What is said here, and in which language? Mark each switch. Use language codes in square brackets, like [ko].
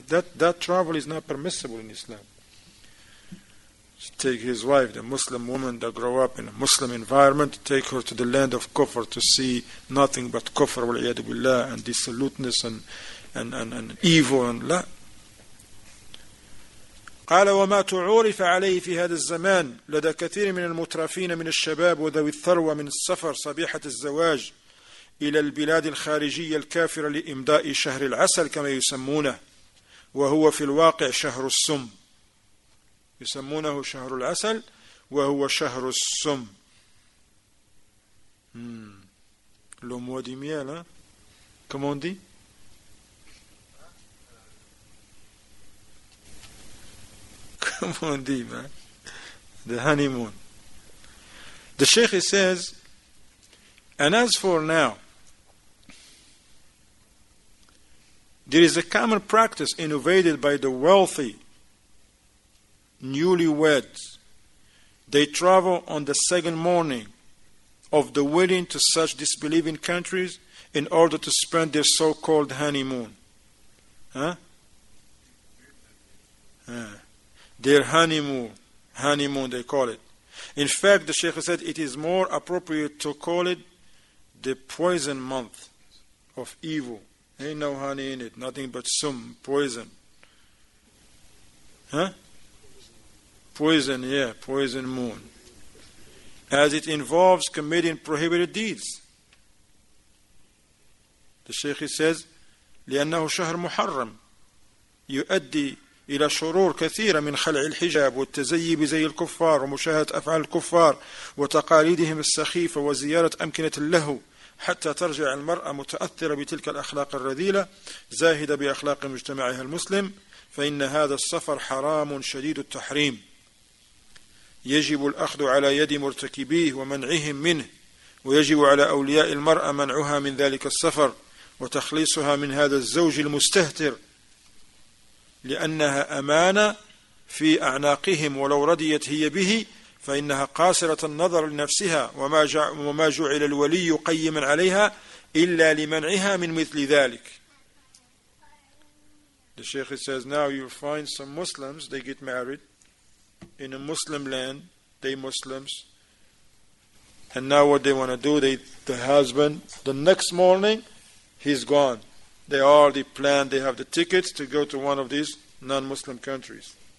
[en] That travel is not permissible in Islam. To take his wife, the Muslim woman that grew up in a Muslim environment, take her to the land of kufr to see nothing but kufr wal-iyadu billah and dissoluteness and evil and la. [ar] قال وما تعرف عليه في هذا الزمان لدى كثير من المترفين من الشباب وذوي الثروة من السفر صبيحة الزواج إلى البلاد الخارجية الكافرة لإمضاء شهر العسل كما يسمونه وهو في الواقع شهر السم. يسمونه شهر العسل وهو شهر السم. لو مودي ميالا كمون دي كمون دي ما the honeymoon. [en] The Sheikh says, and as for now, there is a common practice innovated by the wealthy newlyweds. They travel on the second morning of the wedding to such disbelieving countries in order to spend their so-called honeymoon. Their honeymoon they call it. In fact, the Sheikh said it is more appropriate to call it the poison month of evil. Ain't no honey in it, nothing but some poison. Poison, yeah, poison moon. As it involves committing prohibited deeds. The Sheikh says, [ar] لأنه شهر محرم. يؤدي إلى شرور كثيرة من خلع الحجاب والتزيب زي الكفار ومشاهدة أفعال الكفار وتقاليدهم السخيفة وزيارة أمكنة اللهو حتى ترجع المرأة متأثرة بتلك الأخلاق الرذيلة زاهدة بأخلاق مجتمعها المسلم، فإن هذا السفر حرام شديد التحريم، يجب الأخذ على يد مرتكبيه ومنعهم منه، ويجب على أولياء المرأة منعها من ذلك السفر وتخليصها من هذا الزوج المستهتر، لأنها أمانة في أعناقهم، ولو رضيت هي به فإنها قاصرة النظر لنفسها، وما جعل الولي قيما عليها إلا لمنعها من مثل ذلك. [en] The Sheikh says, now you find some Muslims, they get married in a Muslim land, they Muslims, and now what they want to do, the husband, the next morning, he's gone. They already planned, they have the tickets to go to one of these non-Muslim countries.